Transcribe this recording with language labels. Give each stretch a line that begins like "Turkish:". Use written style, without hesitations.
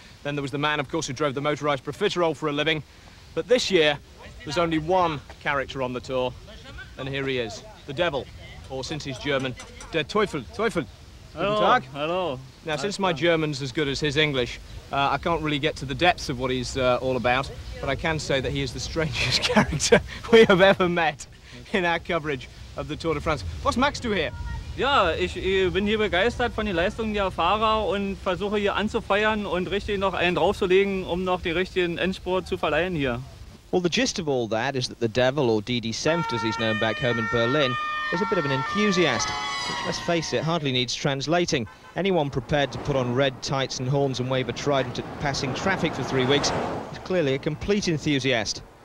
English: Then there was the man, of course, who drove the motorised profiterole for a living. But this year, there's only one character on the Tour, and here he is, the devil, or since he's German,
German: der Teufel. Teufel.
English: Hello.
German: Guten Tag.
English: Hello. Now, since my German's as good as his English, I can't really get to the depths of what he's all about, but I can say that he is the strangest character we have ever met in our coverage of the Tour de France. What's Max do here?
German: Ja, ich bin hier begeistert von den Leistungen der Fahrer und versuche hier anzufeiern und richtig noch einen draufzulegen, um noch den richtigen Endspurt zu verleihen hier.
English: Well, the gist of all that is that the devil, or Didi Senft as he's known back home in Berlin, is a bit of an enthusiast, which, let's face it, hardly needs translating. Anyone prepared to put on red tights and horns and wave a trident at passing traffic for 3 weeks is clearly a complete enthusiast.